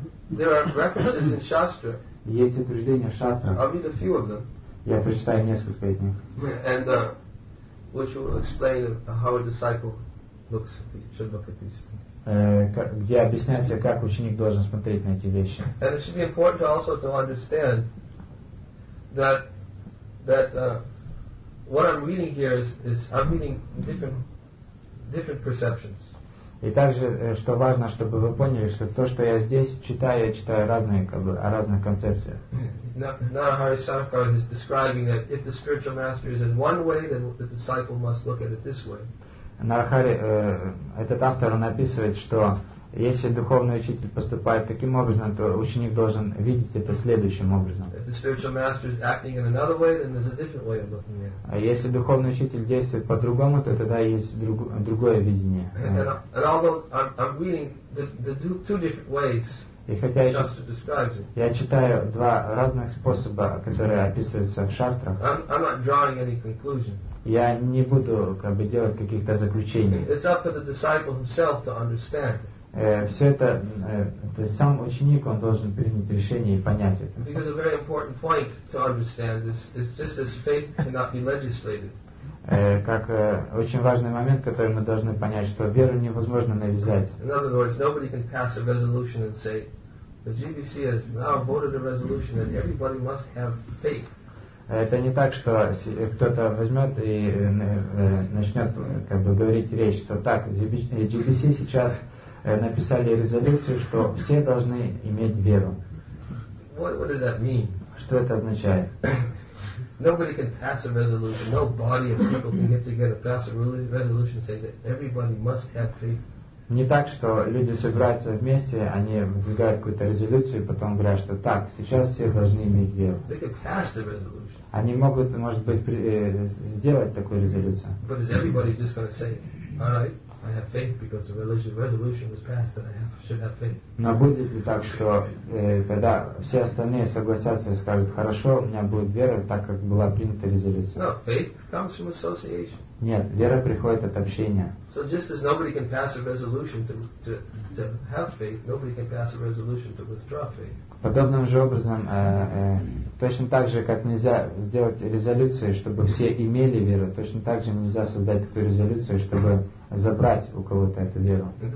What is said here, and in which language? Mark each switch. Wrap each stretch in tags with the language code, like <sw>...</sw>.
<en>There are references in Shastra.</en> <ru>Есть утверждения в шастрах.</ru> <en>I'll read a few of them.</en> <ru>Я прочитаю несколько из них.</ru> <en>And which will explain how a disciple looks, should look at these things.</en> <ru>Где объясняется, как ученик должен смотреть на эти вещи.</ru> <en>And it should be important also to understand that what I'm reading here is I'm reading different perceptions.</en> <ru>И также, что важно, чтобы вы поняли, что то, что я здесь читаю, я читаю разные, как бы, о разных концепциях.</ru> <en>Narahari Saraka is describing that if the spiritual master is in one way, then the disciple must look at it this way.</en> <ru>Narahari, этот автор, он описывает, что если духовный учитель поступает таким образом, то ученик должен видеть это следующим образом.</ru> <en>If the spiritual master is acting in another way, then there's a different way of looking at it.</en> <ru>А если духовный учитель действует по-другому, то тогда есть другое видение.</ru> <en>And although I'm reading the two different ways.</en> <ru>И хотя я читаю два разных способа, которые описываются в шастрах,</ru> <en>I'm not drawing any conclusion.</en> <ru>Я не буду, как бы, делать каких-то заключений.</ru> <en>It's up to the disciple himself to understand.</en> <ru>Все это, то есть сам ученик, он должен принять решение и понять это.</ru> <en>Because a very important point to understand is just as faith cannot be legislated.</en> <ru>Как очень важный момент, который мы должны понять, что веру невозможно навязать.</ru> <en>In other words, nobody can pass a resolution and say, the GBC has now voted a resolution that everybody must have faith.</en> <ru>Это не так, что кто-то возьмет и начнет, как бы, говорить речь, что так, GBC сейчас написали резолюцию, что все должны иметь веру.</ru> <en>What does that mean?</en> <ru>Что это означает?</ru> <en>Nobody can pass a resolution. No body of people can get together, pass a resolution, say that everybody must have faith.</en> <ru>Не так, что люди собираются вместе, они выдвигают какую-то резолюцию, потом говорят, что так, сейчас все должны иметь веру.</ru> <en>They can pass the resolution.</en> <ru>Они могут, может быть, сделать такую резолюцию.</ru> <en>But is everybody just going to say, all right, I have faith because the resolution was passed and I should have faith.</en> <ru>Но будет ли так, что тогда все остальные согласятся и скажут, хорошо, у меня будет вера, так как была принята резолюция?</ru> <en>No, faith comes from association.</en> <ru>Нет, вера приходит от общения.</ru> <en>So just as nobody can pass a resolution to have faith, nobody can pass a resolution to withdraw faith.</en> <ru>Подобным же образом, точно так же, как нельзя сделать резолюцию, чтобы все имели веру, точно так же нельзя создать такую резолюцию, чтобы забрать у кого-то эту веру.</ru>